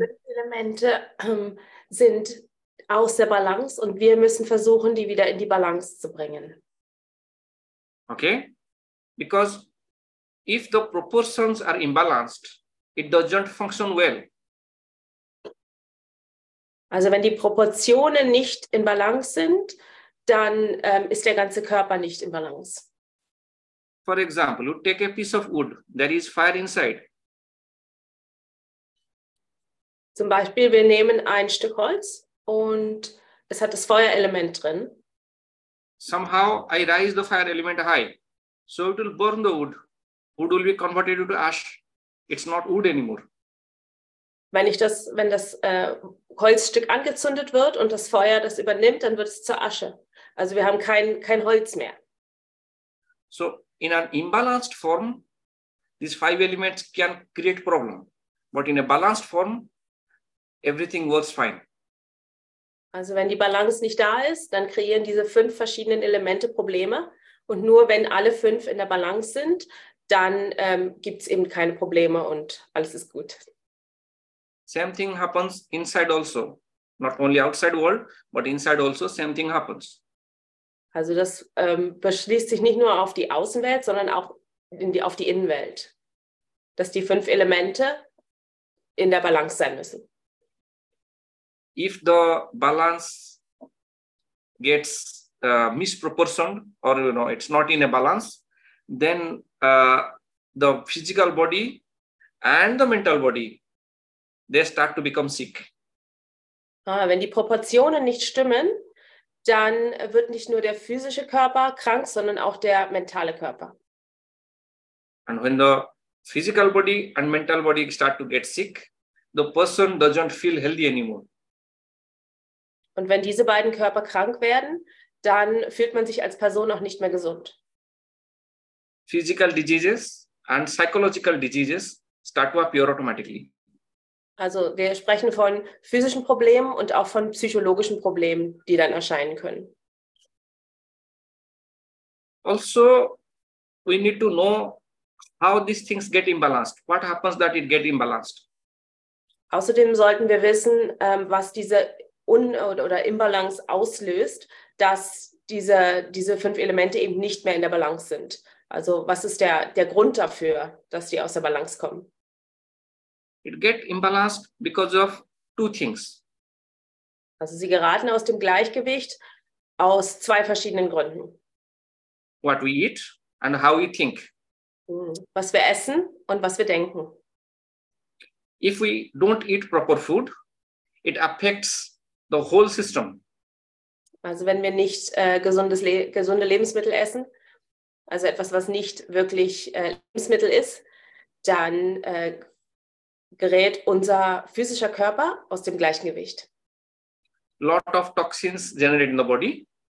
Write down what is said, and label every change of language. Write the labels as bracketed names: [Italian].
[German] Die Elemente sind aus der Balance und wir müssen versuchen, die wieder in die Balance zu bringen. Okay? [English] Because if the proportions are imbalanced, it doesn't function well. [German] Also wenn die Proportionen nicht in Balance sind, dann ist der ganze Körper nicht in Balance. [English] For example, you take a piece of wood, there is fire inside. [German] Zum Beispiel, wir nehmen ein Stück Holz und es hat das Feuerelement drin. [English] Somehow I raise the fire element high. So it will burn the wood. Wood will be converted into ash. It's not wood anymore. [German] Wenn das Holzstück angezündet wird und das Feuer das übernimmt, dann wird es zur Asche. Also wir haben kein Holz mehr. [English] So in an imbalanced form, these five elements can create problem. But in a balanced form, everything works fine. [German] Also wenn die Balance nicht da ist, dann kreieren diese fünf verschiedenen Elemente Probleme. Und nur wenn alle fünf in der Balance sind, dann gibt es eben keine Probleme und alles ist gut. [English] Same thing happens inside also. Not only outside world, but inside also, same thing happens. [German] Also das beschließt sich nicht nur auf die Außenwelt, sondern auch auf die Innenwelt. Dass die fünf Elemente in der Balance sein müssen. [English] If the balance gets misproportioned or you know it's not in a balance, then the physical body and the mental body, they start to become sick. [German] Ah, wenn die Proportionen nicht stimmen, dann wird nicht nur der physische Körper krank, sondern auch der mentale Körper. [English] And when the physical body and mental body start to get sick, the person doesn't feel healthy anymore. [German] Und wenn diese beiden Körper krank werden, dann fühlt man sich als Person auch nicht mehr gesund. [English] Physical diseases and psychological diseases start to appear automatically. [German] Also wir sprechen von physischen Problemen und auch von psychologischen Problemen, die dann erscheinen können. [English] Also, we need to know how these things get imbalanced. What happens that it get imbalanced? [German] Außerdem sollten wir wissen, was diese Imbalance auslöst, dass diese fünf Elemente eben nicht mehr in der Balance sind. Also was ist der Grund dafür, dass die aus der Balance kommen? [English] It get imbalanced because of two things. [German] Also sie geraten aus dem Gleichgewicht aus zwei verschiedenen Gründen. [English] What we eat and how we think. [German] Was wir essen und was wir denken. [English] If we don't eat proper food, it affects the whole system. [German] Also wenn wir nicht gesunde Lebensmittel essen, also etwas, was nicht wirklich Lebensmittel ist, dann gerät unser physischer Körper aus dem Gleichgewicht. [English] Lot of toxins generate in the body.